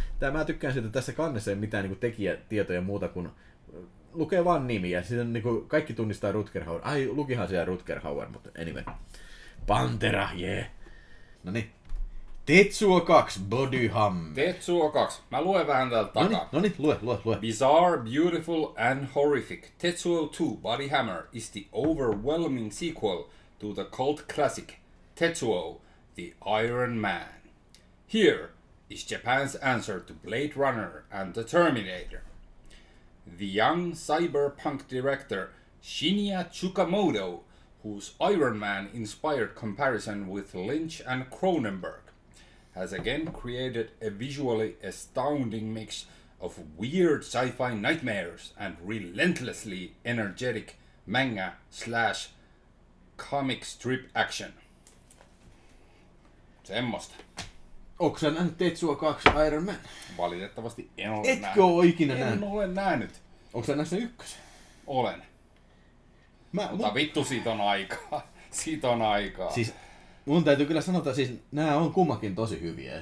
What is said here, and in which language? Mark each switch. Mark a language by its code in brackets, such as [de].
[fi] Tämä, mä tykkään siitä, että tässä kannessa ei ole mitään niin kuin tekijätietoja muuta kuin lukee vaan nimiä. Siitä niin kuin kaikki tunnistaa Rutger Hauer. Ai, lukihan siellä Rutger Hauer, mutta anyway. Pantera, jee. No niin. Tetsuo 2, Body Hammer. Tetsuo 2. Mä luen vähän täältä takaa. No niin, lue. [en] Bizarre, beautiful and horrific. Tetsuo 2, Body Hammer is the overwhelming sequel to the cult classic Tetsuo, the Iron Man. Here is Japan's answer to Blade Runner and the Terminator. The young cyberpunk director Shinya Tsukamoto, whose Iron Man inspired comparison with Lynch and Cronenberg, has again created a visually astounding mix of weird sci-fi nightmares and relentlessly energetic manga / comic strip action. [fi] Semmosta. Onko sä nähnyt Tetsuo 2 Iron Man? Valitettavasti en ole. Etkö nähnyt. Etkö ikinä en nähnyt? En ole nähnyt. Onko sä nähnyt sen ykkösen? Olen. Mutta vittu, siitä on aikaa. Siis mun täytyy kyllä sanoa, että siis nämä on kummakin tosi hyviä.